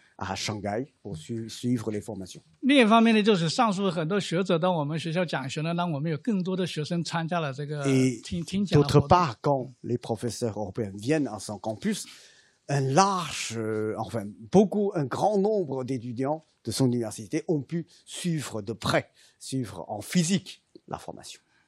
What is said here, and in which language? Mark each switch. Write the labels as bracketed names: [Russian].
[French] À Shanghai pour suivre les formations. [Chinese] 另一方面呢，就是上述很多学者到我们学校讲学呢，让我们有更多的学生参加了这个听讲。 [French] Et d'autre part, quand les professeurs européens viennent à son campus, un grand nombre d'étudiants de son université ont pu suivre de près, suivre en physique la formation.